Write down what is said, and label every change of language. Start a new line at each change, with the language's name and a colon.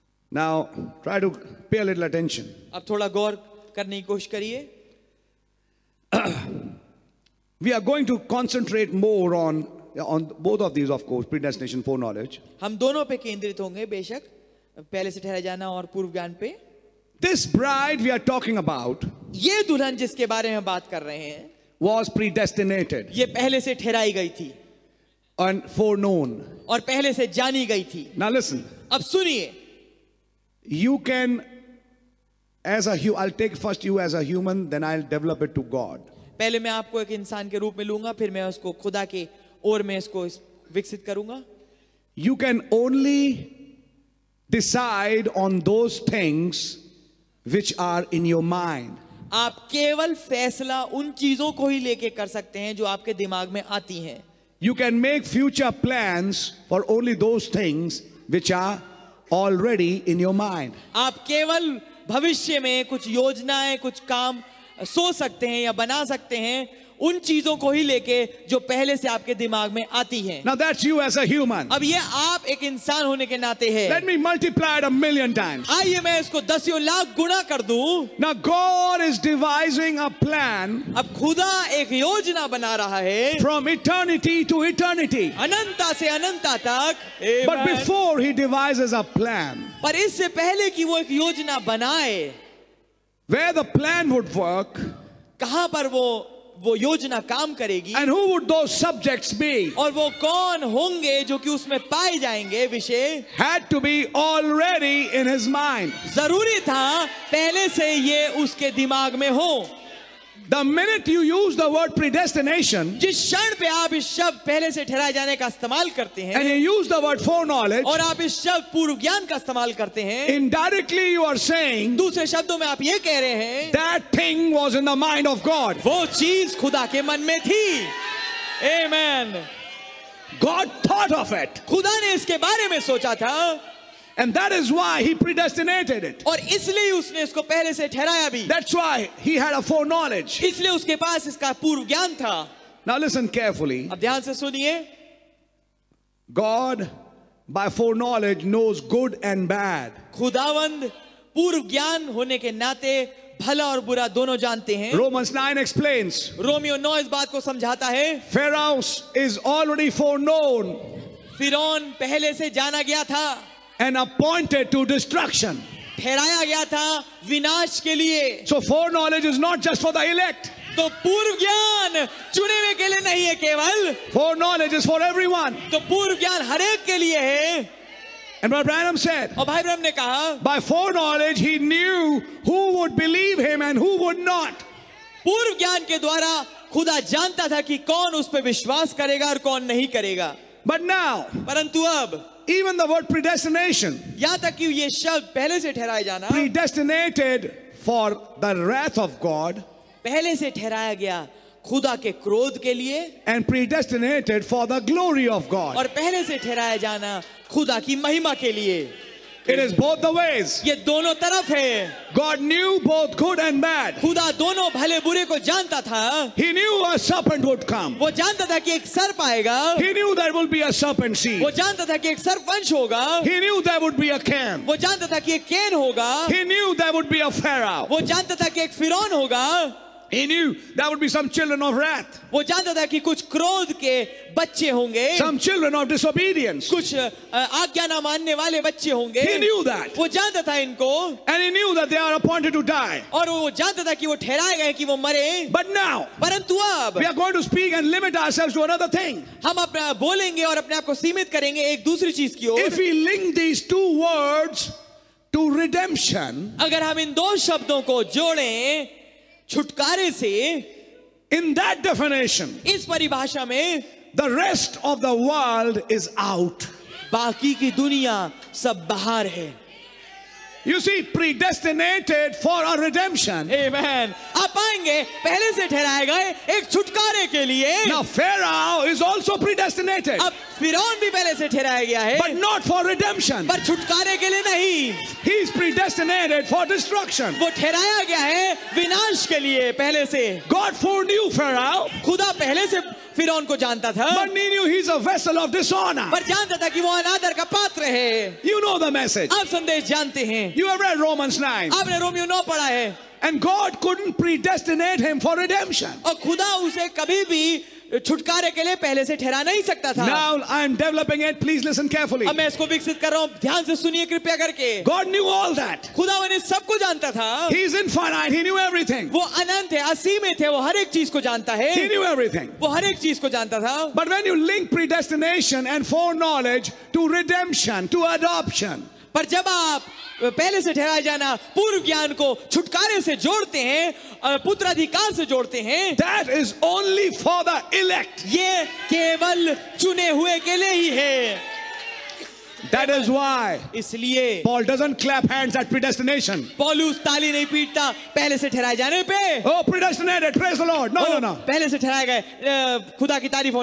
English: Now try to pay a little attention.
Hindi: अब थोड़ा गौर करने की कोशिश करिए.
English: We are going to concentrate more on on both of these, of course, predestination, foreknowledge.
Hindi: हम दोनों पे केंद्रित होंगे बेशक पहले से ठहरा जाना और पूर्व ज्ञान पे.
English: This bride we are talking about.
Hindi: ये दुल्हन जिसके बारे में बात कर रहे हैं.
English: Was predestinated.
Hindi: ये पहले से ठहराई गई थी.
English: And foreknown.
Hindi: और पहले से जानी गई थी.
English: Now listen.
Hindi: अब सुनिए.
English: You can, as a human, I'll take first you as a human, then I'll develop it to God.
Hindi: पहले मैं आपको एक इंसान के रूप में लूंगा, फिर मैं उसको खुदा के ओर में इसको विकसित करूंगा.
English: You can only decide on those things which are in your mind.
Hindi: आप केवल फैसला उन चीजों को ही लेके कर सकते हैं जो आपके दिमाग में आती हैं.
English: You can make future plans for only those things which are already in your mind.
Hindi: आप केवल भविष्य में कुछ योजनाएं, कुछ काम सोच सकते हैं या बना सकते हैं उन चीजों को ही लेके जो पहले से आपके दिमाग में आती हैं.
English: Now that's you as a human.
Hindi: अब ये आप एक इंसान होने के नाते हैं.
English: Let me multiply it a million times.
Hindi: आइए मैं इसको दसियों लाख गुना कर दूं.
English: Now God is devising a plan.
Hindi: अब खुदा एक योजना बना रहा है.
English: From eternity to eternity.
Hindi: अनंता से अनंता तक.
English: Amen. But before He devises a plan.
Hindi: पर इससे पहले कि वो एक योजना बनाए.
English: Where the plan would work.
Hindi: कहां पर वो योजना काम करेगी.
English: And who would those subjects be?
Hindi: और वो कौन होंगे जो कि उसमें पाए जाएंगे विषय.
English: Had to be already in his mind.
Hindi: जरूरी था पहले से ये उसके दिमाग में हो.
English: The minute you use the word predestination,
Hindi: जिस क्षण पे आप इस शब्द पहले से ठहराए जाने का इस्तेमाल करते हैं,
English: and you use the word foreknowledge,
Hindi: और आप इस शब्द पूर्व ज्ञान का इस्तेमाल करते हैं,
English: indirectly you are saying,
Hindi: दूसरे शब्दों में आप ये कह रहे हैं,
English: that thing was in the mind of God.
Hindi: वो चीज खुदा के मन में थी. Amen.
English: God thought of it.
Hindi: खुदा ने इसके बारे में सोचा था.
English: And that is why he predestinated it.
Hindi: और इसलिए उसने इसको पहले से ठहराया भी.
English: That's why he had a foreknowledge.
Hindi: इसलिए उसके पास इसका पूर्व ज्ञान था.
English: Now listen carefully.
Hindi: अब ध्यान से सुनिए.
English: God, by foreknowledge, knows good and bad.
Hindi: खुदावंद पूर्व ज्ञान होने के नाते भला और बुरा दोनों जानते हैं.
English: Romans 9 explains.
Hindi: रोमियो 9 इस बात को समझाता है.
English: Pharaoh is already foreknown.
Hindi: फिरौन पहले से जाना गया था.
English: And appointed to destruction.
Hindi: ठहराया गया था विनाश के लिए.
English: So foreknowledge is not just for the elect.
Hindi: तो पूर्व ज्ञान चुने हुए के लिए नहीं है केवल.
English: Foreknowledge is for everyone.
Hindi: तो पूर्व ज्ञान हर एक के लिए है.
English: And Brother Branham said.
Hindi: और भाई ब्रह्म ने कहा.
English: By foreknowledge he knew who would believe him and who would not.
Hindi: पूर्व ज्ञान के द्वारा खुदा जानता था कि कौन उस पर विश्वास करेगा और कौन नहीं करेगा.
English: But now.
Hindi: परंतु अब.
English: Even the word predestination.
Hindi: या तक कि ये शब्द पहले से ठहराया जाना.
English: Predestinated for the wrath of God.
Hindi: पहले से ठहराया गया खुदा के क्रोध के लिए.
English: And predestinated for the glory of God.
Hindi: और पहले से ठहराया जाना खुदा की महिमा के लिए.
English: It is both the ways.
Hindi: ये दोनों तरफ है.
English: God knew both good and bad.
Hindi: खुदा दोनों भले बुरे को जानता था.
English: He knew a serpent would come.
Hindi: वो जानता था कि एक सर्प आएगा.
English: He knew there would be a serpent seed.
Hindi: वो जानता था कि एक सर्प वंश होगा.
English: He knew there would be a Cain.
Hindi: वो जानता था कि एक केन होगा.
English: He knew there would be a Pharaoh.
Hindi: वो जानता था कि एक फिरौन होगा.
English: He knew there would be some children of wrath.
Hindi: वो जानता था कि कुछ क्रोध के बच्चे होंगे.
English: Some children of disobedience.
Hindi: कुछ आज्ञा ना मानने वाले बच्चे होंगे.
English: He knew that.
Hindi: वो जानता था इनको.
English: And he knew that they are appointed to die.
Hindi: और वो जानता था कि वो ठहराए गए कि वो मरे.
English: But now.
Hindi: परंतु अब.
English: We are going to speak and limit ourselves to another thing.
Hindi: हम अपना बोलेंगे और अपने आप को सीमित करेंगे एक दूसरी चीज की ओर.
English: If we link these two words to redemption.
Hindi: अगर हम इन दो शब्दों को जोड़ें. छुटकारे से.
English: In that definition.
Hindi: इस परिभाषा में.
English: The rest of the world is out.
Hindi: बाकी की दुनिया सब बाहर है.
English: You see predestinated for a redemption. Amen.
Hindi: आप आएंगे पहले से ठहराए गए एक छुटकारे के लिए.
English: Now Pharaoh is also predestinated.
Hindi: अब फिरौन भी पहले से ठहराया गया है.
English: But not for redemption.
Hindi: पर छुटकारे के लिए नहीं.
English: He is predestinated for destruction.
Hindi: वो ठहराया गया है विनाश के लिए पहले से.
English: God foreknew Pharaoh.
Hindi: खुदा पहले से फिरौन को जानता था.
English: But he knew he is a vessel of dishonor.
Hindi: पर जानता था कि वो अनादर का पात्र है.
English: You know the message.
Hindi: आप संदेश जानते हैं.
English: You have read Romans 9.
Hindi: आपने रोमियो 9 पढ़ा है.
English: And God couldn't predestinate him for redemption.
Hindi: और खुदा उसे कभी भी छुटकारे के लिए पहले से ठहरा नहीं सकता था.
English: Now I am developing it. Please listen carefully.
Hindi: अब मैं इसको विकसित कर रहा हूँ. ध्यान से सुनिए कृपया करके.
English: God knew all that.
Hindi: खुदा वने सब को जानता था.
English: He is infinite. He knew everything.
Hindi: वो अनंत है, असीमित है. वो हर एक चीज को जानता है.
English: He knew everything.
Hindi: वो हर एक चीज को जानता था.
English: But when you link predestination and foreknowledge to redemption, to adoption.
Hindi: पर जब आप पहले से ठहराया जाना पूर्व ज्ञान को छुटकारे से जोड़ते हैं, पुत्राधिकार से जोड़ते हैं.
English: That is only for the elect.
Hindi: ये केवल चुने हुए के लिए ही है.
English: That is why.
Hindi: इसलिए.
English: Paul doesn't clap hands at predestination.
Hindi: पौलुस ताली नहीं पीटता पहले से ठहराए जाने पे.
English: Oh, predestinated, praise the Lord. No.
Hindi: पहले से ठहराए गए खुदा की तारीफ हो.